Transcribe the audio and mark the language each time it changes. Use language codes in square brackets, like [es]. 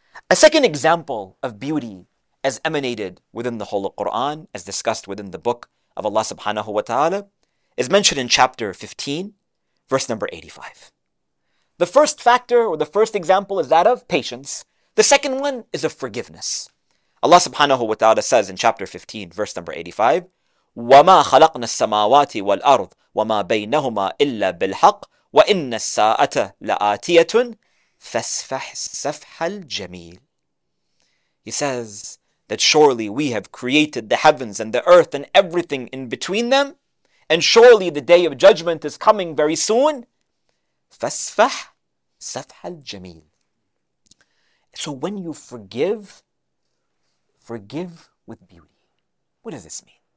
[en] A second example of beauty as emanated within the Holy Quran, as discussed within the book of Allah subhanahu wa ta'ala, is mentioned in chapter 15, verse number 85. The first factor, or the first example, is that of patience. The second one is of forgiveness. Allah subhanahu wa ta'ala says in chapter 15, verse number 85, [ar] وَمَا خَلَقْنَا السَّمَاوَاتِ وَالْأَرْضِ وَمَا بَيْنَهُمَا إِلَّا بِالْحَقِّ وَإِنَّ السَّاءَةَ لَآتِيَةٌ فَاسْفَحْ سَفْحَ الْجَمِيلِ. [en] He says that surely we have created the heavens and the earth and everything in between them, and surely the day of judgment is coming very soon. [ar] فَاسْفَحْ سَفْحَ الْجَمِيلِ. [en] So when you forgive, forgive with beauty. What does this mean?